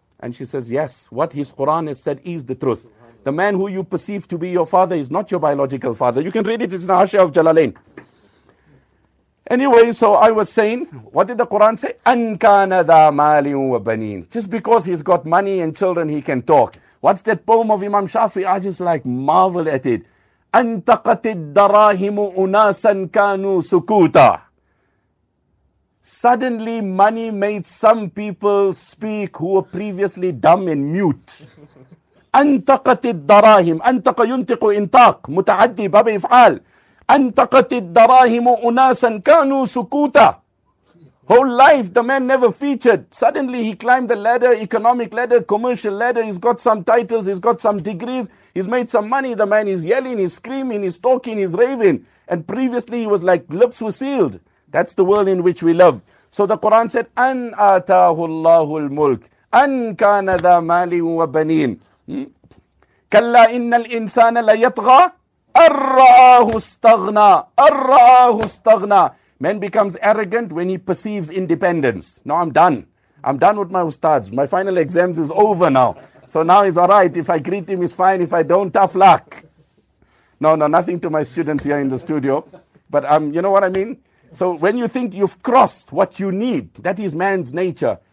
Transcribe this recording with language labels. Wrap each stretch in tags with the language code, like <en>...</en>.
<en>And she says, yes, what his Quran has said is the truth. The man who you perceive to be your father is not your biological father. You can read it. It's in the Hashiyah of Jalalain. Anyway, so I was saying, what did the Quran say?</en> <ar>أَن كَانَ ذَا مَالٍ وَبَنِينَ.</ar> <en>Just because he's got money and children, he can talk. What's that poem of Imam Shafi? I just like marvel at it.</en> <ar>أَنْتَقَتِ الدَّرَاهِمُ أُنَاسًا كَانُوا سُكُوتًا.</ar> <en>Suddenly money made some people speak who were previously dumb and mute.</en> <ar>أَنْتَقَتِ الدَّرَاهِمُ أَنْتَقَ يُنْتِقُ إِنْتَاقُ مُتَعَدِّي بَبَ إِفْعَالِ أَنْتَقَتِ الدَّرَاهِمُ أُنَاسًا كَانُوا سُكُوتًا.</ar> <en>Whole life, the man never featured. Suddenly he climbed the ladder, economic ladder, commercial ladder. He's got some titles, he's got some degrees. He's made some money. The man is yelling, he's screaming, he's talking, he's raving. And previously he was like, lips were sealed. That's the world in which we live. So the Quran said,</en> <ar>أَنْ آتَاهُ اللَّهُ الْمُلْكِ أَنْ كَانَ ذَا مَالٍ وَبَنِينَ كَلَّا إِنَّ الْإِنسَانَ لَيَطْغَى أَرَّآهُ اسْتَغْنَى أَرَّآهُ اسْتَغْنَى.</ar> <en>Man becomes arrogant when he perceives independence. Now I'm done. I'm done with my ustads. My final exams is over now. So now he's all right. If I greet him, he's fine. If I don't, tough luck. No, nothing to my students here in the studio. But you know what I mean? So when you think you've crossed what you need, that is man's nature.</en>